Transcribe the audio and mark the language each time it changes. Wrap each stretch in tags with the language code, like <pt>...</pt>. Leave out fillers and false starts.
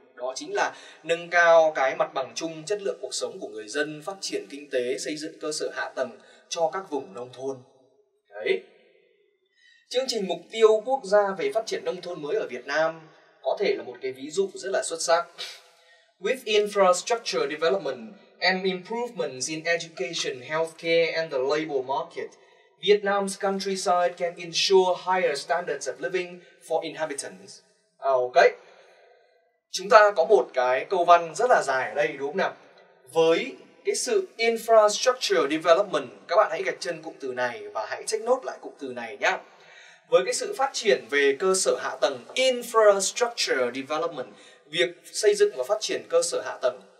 <vi>Đó chính là nâng cao cái mặt bằng chung, chất lượng cuộc sống của người dân, phát triển kinh tế, xây dựng cơ sở hạ tầng cho các vùng nông thôn. Đấy. Chương trình Mục tiêu Quốc gia về Phát triển Nông thôn mới ở Việt Nam có thể là một cái ví dụ rất là xuất sắc.</vi> <en>With infrastructure development and improvements in education, healthcare and the labor market, Vietnam's countryside can ensure higher standards of living for inhabitants. À, ok.</en> <vi>Chúng ta có một cái câu văn rất là dài ở đây đúng không nào? Với cái sự infrastructure development, các bạn hãy gạch chân cụm từ này và hãy check note lại cụm từ này nhé. Với cái sự phát triển về cơ sở hạ tầng, infrastructure development, việc xây dựng và phát triển cơ sở hạ tầng.</vi>